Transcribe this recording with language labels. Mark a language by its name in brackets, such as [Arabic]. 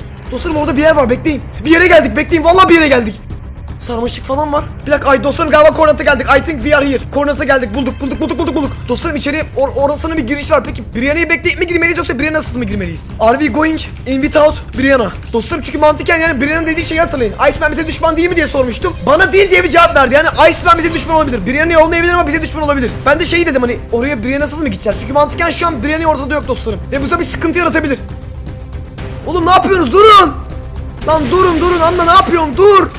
[Turkish] Dostlarım orada bir yer var bekleyin. Bir yere geldik bekleyin. Vallahi bir yere geldik. Sarmaşık falan var. Bir dakika ay dostlarım galiba koordinata geldik. [English] I think we are here. [Turkish] Koordinata geldik. Bulduk. Dostlarım içeriye orasına bir giriş var. Peki Brienne'yi bekleyip mi girmeliyiz yoksa Brienne'sız mı girmeliyiz? [English] Are we going in without Brienne? [Turkish] Dostlarım çünkü mantıken yani Brienne'ın dediği şeyi hatırlayın. Iceman bize düşman değil mi diye sormuştum. Bana değil diye bir cevap verdi. Yani Iceman bize düşman olabilir. Brienne'ye olmayabilir ama bize düşman olabilir. Ben de şeyi dedim hani oraya Brienne'sız mı gideceğiz? Çünkü mantıken şu an Brienne ortada yok dostlarım. Ve bu da bir sıkıntı yaratabilir. Oğlum ne yapıyorsunuz? Durun! Lan durun. Anla ne yapıyorsun? Dur!